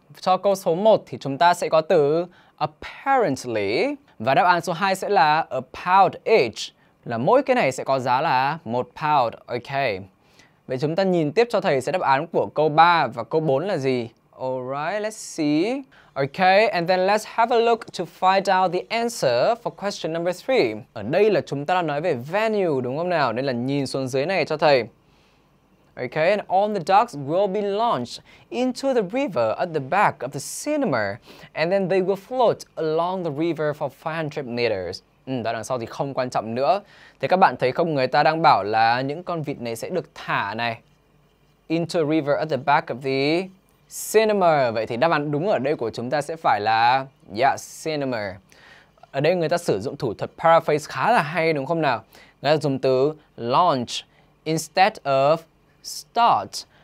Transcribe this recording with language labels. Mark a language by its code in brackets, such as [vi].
[vi] Cho câu số 1 thì chúng ta sẽ có từ apparently. Và đáp án số 2 sẽ là £1 each. Là mỗi cái này sẽ có giá là £1. Okay. Vậy chúng ta nhìn tiếp cho thầy sẽ đáp án của câu 3 và câu 4 là gì? [en] Alright, let's see. Okay, and then let's have a look to find out the answer for question number 3. [vi] Ở đây là chúng ta đã nói về venue, đúng không nào? Nên là nhìn xuống dưới này cho thầy. [en] Okay, and all the ducks will be launched into the river at the back of the cinema. And then they will float along the river for 500 meters. [vi] Đoạn đằng sau thì không quan trọng nữa. Thế các bạn thấy không, người ta đang bảo là những con vịt này sẽ được thả này. [en] Into a river at the back of the cinema. [vi] Vậy thì đáp án đúng ở đây của chúng ta sẽ phải là [en] yes, cinema. [vi] Ở đây người ta sử dụng thủ thuật paraphrase khá là hay đúng không nào? Người ta dùng từ launch [en] instead of start.